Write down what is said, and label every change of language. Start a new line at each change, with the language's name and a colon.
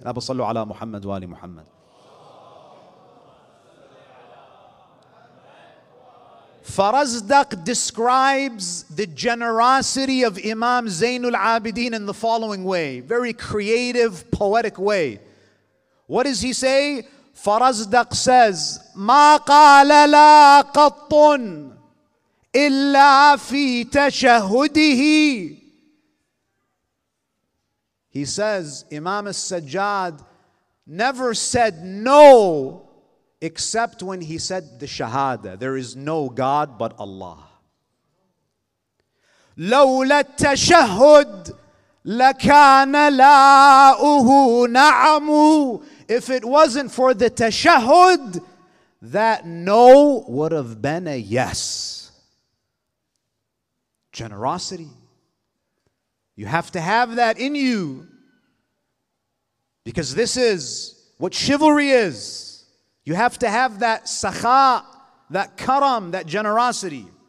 Arabic: Rabbi sallu ala Muhammad wa ali Muhammad.
English: Farazdaq describes the generosity of Imam Zainul Abidin in the following way, very creative, poetic way. What does he say? Farazdaq says,
Arabic: ما قال لا قط إلا في تشهده.
English: He says, Imam al-Sajjad never said no except when he said the shahada. There is no God but Allah.
Arabic: لولا التشهد لكان لاؤه نعم.
English: If it wasn't for the tashahud, that no would have been a yes. Generosity. You have to have that in you. Because this is what chivalry is. You have to have that sakha, that karam, that generosity.